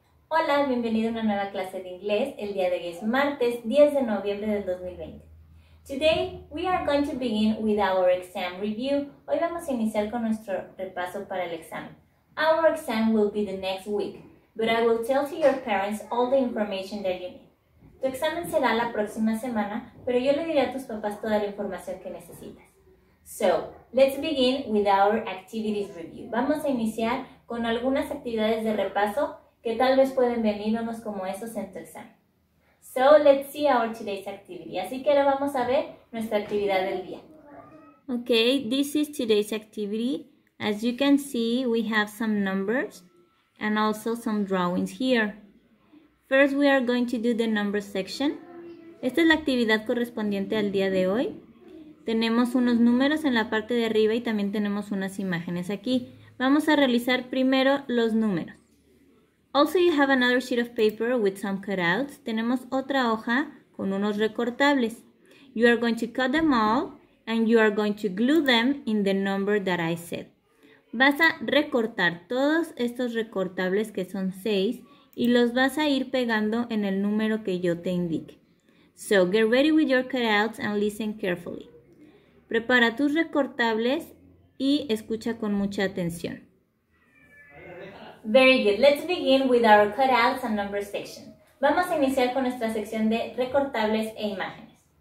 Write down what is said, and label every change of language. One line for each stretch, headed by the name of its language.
Spanish: Hola, bienvenido a una nueva clase de inglés. El día de hoy es martes 10 de noviembre del 2020.
English: Today we are going to begin with our exam review.
Spanish: Hoy vamos a iniciar con nuestro repaso para el examen.
English: Our exam will be the next week, but I will tell to your parents all the information that you need.
Spanish: Tu examen será la próxima semana, pero yo le diré a tus papás toda la información que necesitas.
English: So, let's begin with our activities review.
Spanish: Vamos a iniciar con algunas actividades de repaso que tal vez pueden venirnos como esos en tu examen.
English: So, let's see our today's activity.
Spanish: Así que ahora vamos a ver nuestra actividad del día.
English: Okay, this is today's activity. As you can see, we have some numbers and also some drawings here. First, we are going to do the numbers section.
Spanish: Esta es la actividad correspondiente al día de hoy. Tenemos unos números en la parte de arriba y también tenemos unas imágenes aquí. Vamos a realizar primero los números.
English: Also, you have another sheet of paper with some cutouts.
Spanish: Tenemos otra hoja con unos recortables.
English: You are going to cut them all and you are going to glue them in the number that I said.
Spanish: Vas a recortar todos estos recortables que son 6 y los vas a ir pegando en el número que yo te indique.
English: So, get ready with your cutouts and listen carefully.
Spanish: Prepara tus recortables y escucha con mucha atención.
English: Very good. Let's begin with our cutouts and numbers section.
Spanish: Vamos a iniciar con nuestra sección de recortables e imágenes.